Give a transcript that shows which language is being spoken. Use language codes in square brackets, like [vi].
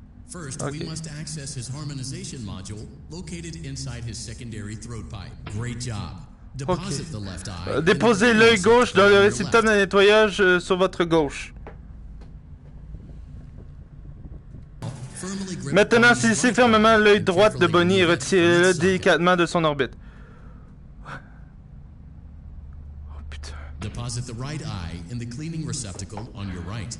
[en] First, okay. We must access his harmonization module located inside his secondary throat pipe. Great job. Deposit the left eye. [fr] Déposez l'œil gauche dans le réceptacle de nettoyage sur votre gauche. Maintenant, saisissez fermement l'œil droit de Bonnie et retirez-le délicatement de son orbite. Oh putain. [en] Deposit the right eye in the cleaning receptacle on your right.